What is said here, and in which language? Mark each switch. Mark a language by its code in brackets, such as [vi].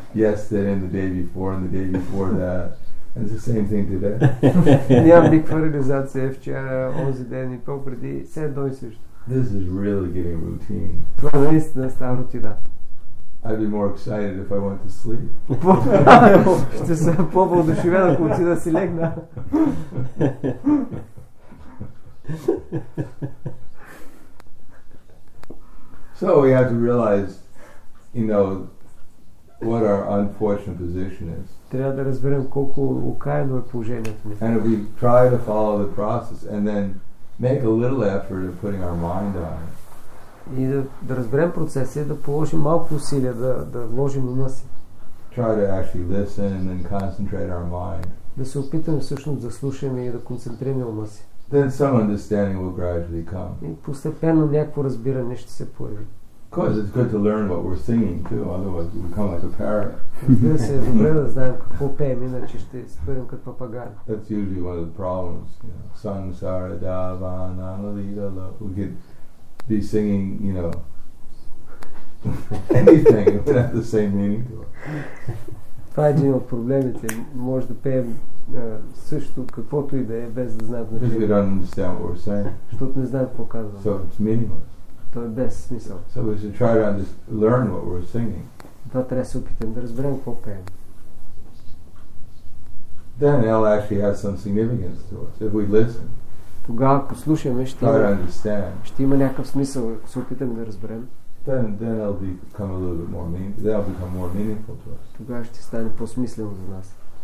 [en] Yesterday and the day before and the day before that. And it's the same thing today. [bg] Нямам никаква реализация вчера, онзи ден и по-преди, все едно и също. [en] This is really getting routine. [bg] Това наистина става рутина. [en] I'd be more excited if I went to sleep. [bg] Ще се по-вълдушевен, ако отида да си легна. [en] So we have to realize you know, what our unfortunate position is. [bg] Трябва да разберем колко окаяно е положението ни. [en] And if we try to follow the process and then make a little effort of putting our mind on it. [bg] И да разберем процеса, да положим малко усилия, да вложим ума си. [en] Try to actually listen and concentrate our mind. [bg] Да се опитаме всъщност да слушаме и да концентрираме ума си. [en] Then some understanding will gradually come. [bg] И постепенно някакво разбиране ще се появи. [en] Of course, it's good to learn what we're singing too, otherwise we'll become like a parrot. That's usually one of the problems. You know, Sangsara Dava Nanalita Lo. We could be singing, you know, anything, it would have the same meaning to it. [bg] Това е един от проблемите. Може да пеем също каквото и да е, без да знаем значението. [en] Because we don't understand what we're saying. [bg] Защото не знаем какво казвам. [en] So it's meaningless. [bg] То е без смисъл. [en] So we should try to learn what we're singing. [bg] Това трябва да се опитам да разберем какво пеем. [en] Then it'll actually have some significance to us if we listen. [bg] Тогава, ако слушаме, ще има някакъв смисъл, ако се опитам да разберем. [en] Then it'll become a little bit more meaningful. That'll become more meaningful to us. [bg] Тогава ще стане по-смислено за нас.